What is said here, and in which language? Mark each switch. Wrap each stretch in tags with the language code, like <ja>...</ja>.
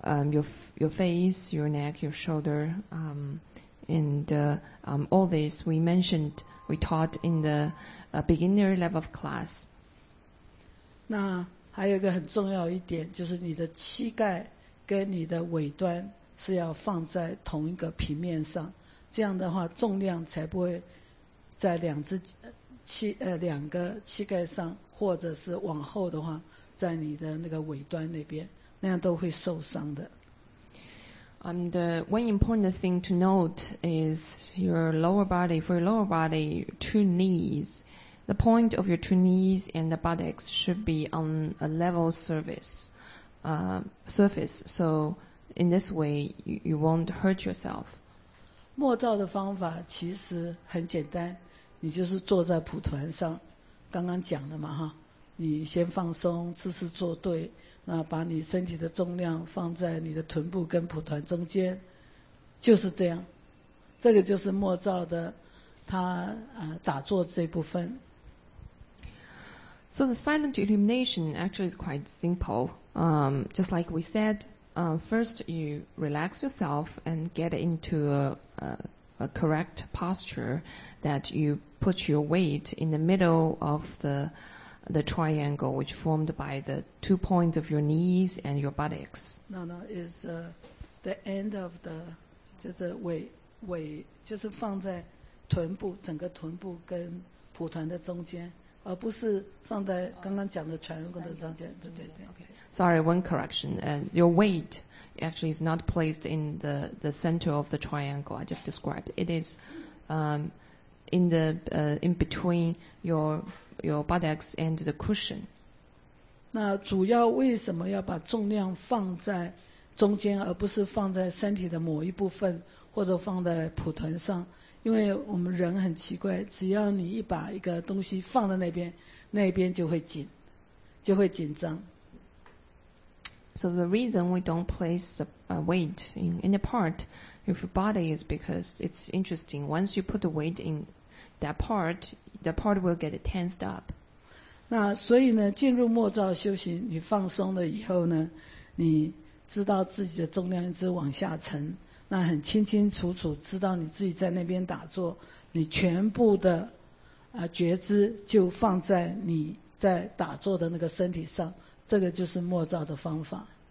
<en>Your face, your neck, your shoulder, and all this we mentioned, we taught in the beginner level of class.</en> <zh>那还有一个很重要一点，就是你的膝盖跟你的尾端是要放在同一个平面上，这样的话重量才不会在两个膝盖上，或者是往后的话在你的那个尾端那边，那样都会受伤的。</zh> <en>And one important thing to note is your lower body, for your lower body, two knees, the point of your two knees and the buttocks should be on a level surface, so in this way, you won't hurt yourself.</en> <zh>默照的方法其实很简单，你就是坐在蒲团上，刚刚讲的嘛哈，你先放松，姿势坐对，那把你身体的重量放在你的臀部跟蒲团中间，就是这样，这个就是默照的它打坐这部分。</zh> <en>So the silent illumination actually is quite simple. Just like we said, first you relax yourself and get into a correct posture that you put your weight in the middle of the triangle which formed by the two points of your knees and your buttocks. No, it's the end of the,</en> <zh>就是尾就是放在臀部，整个臀部跟蒲团的中间，而不是放在刚刚讲的全部的中间，对对对。</zh> <en>Okay. Sorry, one correction. Your weight actually is not placed in the center of the triangle I just described. It is in between your buttocks and the cushion.</en> <zh>那主要为什么要把重量放在中间，而不是放在身体的某一部分，或者放在蒲团上？因为我们人很奇怪，只要你一把一个东西放在那边，那边就会紧，就会紧张。</zh> <en>So the reason we don't place a weight in any part of your body is because it's interesting. Once you put the weight in that part, the part will get tensed up.</en> <zh>那所以呢，进入默照修行，你放松了以后呢，你知道自己的重量一直往下沉。那很清清楚楚知道你自己在那边打坐，你全部的觉知就放在你在打坐的那个身体上，这个就是默照的方法。</zh>